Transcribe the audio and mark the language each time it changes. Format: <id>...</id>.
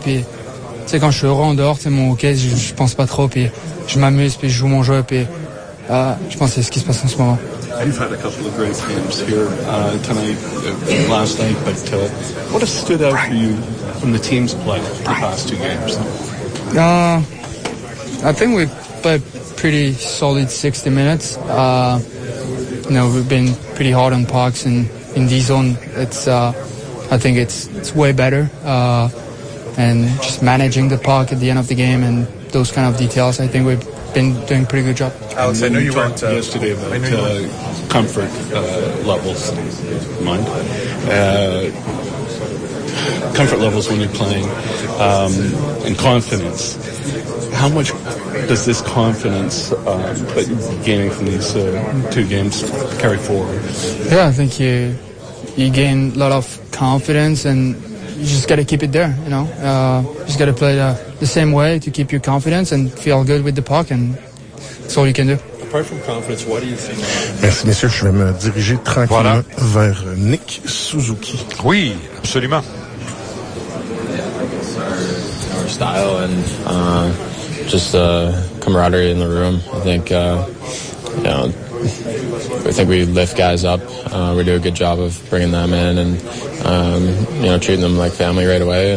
<fr>Puis, quand je suis heureux en dehors, mon hockey, je pense pas trop. Puis, je m'amuse, puis je joue mon jeu. Je pense que c'est ce qui se passe en ce moment.</fr> <en>You've had a couple of great games here tonight, last night, but what has stood out for you from the team's play the past two games? I think we played pretty solid 60 minutes. You know, we've been pretty hard on pucks, and in D-zone, I think it's way better. And just managing the puck at the end of the game and those kind of details, I think we've been doing a pretty good job. Alex, I know you talked yesterday about comfort levels. Mind? Comfort levels when you're playing, and confidence. How much does this confidence that you're gaining from these two games carry forward? Yeah, I think you gain a lot of confidence, and you just got to keep it there, you know. You just got to play the same way to keep your confidence and feel good with the puck, and that's all you can do. Apart from confidence, what do you think?</en> <fr>Merci, messieurs. Je vais me diriger tranquillement vers Nick Suzuki. Oui, absolument.</fr> <en>Our style and just the camaraderie in the room. I think, you know, I think we lift guys up. We do a good job of bringing them in and, you know, treating them like family right away.</en>